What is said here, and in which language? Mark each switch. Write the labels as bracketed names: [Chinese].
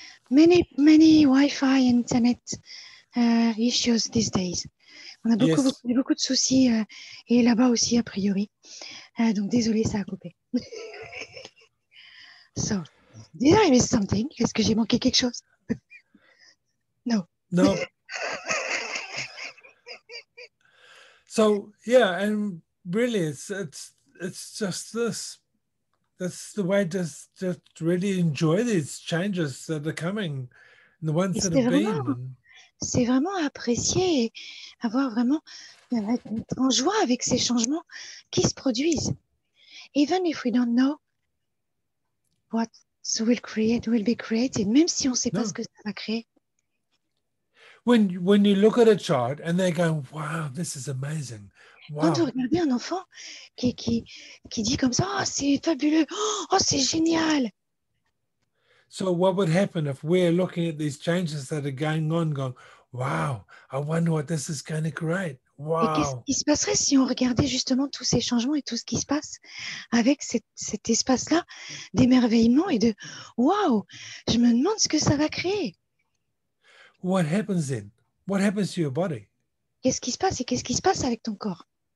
[English] Many, many Wi-Fi internet issues these days. [French] On a beaucoup, [English] yes. [French] beaucoup de soucis et là-bas aussi, a priori. Donc, désolé, ça a coupé. [English] So, did I miss something? [French] Est-ce que j'ai manqué quelque chose? [English] No. No. So, yeah, and really, it's just this. That's the way to just really enjoy these changes that are coming, the ones that have been. [French] C'est vraiment apprécier et avoir vraiment être en joie avec ces changements qui se produisent. [English] Even if we don't know what will create, will be created, [French] même si on ne sait pas ce que ça va créer. [English] When you look at a child and they're going, wow, this is amazing. Wow. [French] Quand vous regardez un enfant qui dit comme ça, oh, c'est fabuleux, oh, c'est génial. [English] So what would happen if we're looking at these changes that are going on, going, wow, I wonder what this is going to create. Wow. [French] Et qu'est-ce qui se passerait si on regardait justement tous ces changements et tout ce qui se passe avec cet espace-là d'émerveillement et de waouh, je me demande ce que ça va créer. [English] What happens then? What happens to your body? [French] Qu'est-ce qui se passe et qu'est-ce qui se passe avec ton corps?